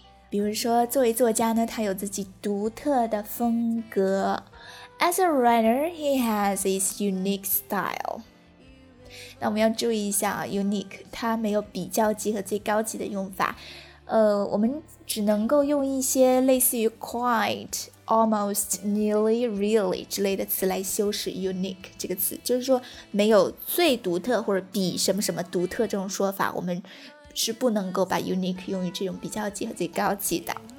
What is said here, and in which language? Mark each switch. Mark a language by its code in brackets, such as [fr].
[zh] 比如说，作为作家呢，他有自己独特的风格。 [en] As a writer, he has his unique style. [zh] 那我们要注意一下 unique, 它没有比较级和最高级的用法。我们只能够用一些类似于 quite,almost, nearly, really 之类的词来修饰 unique 这个词，就是说没有最独特或者比什么什么独特这种说法，我们是不能够把 unique 用于这种比较级和最高级的。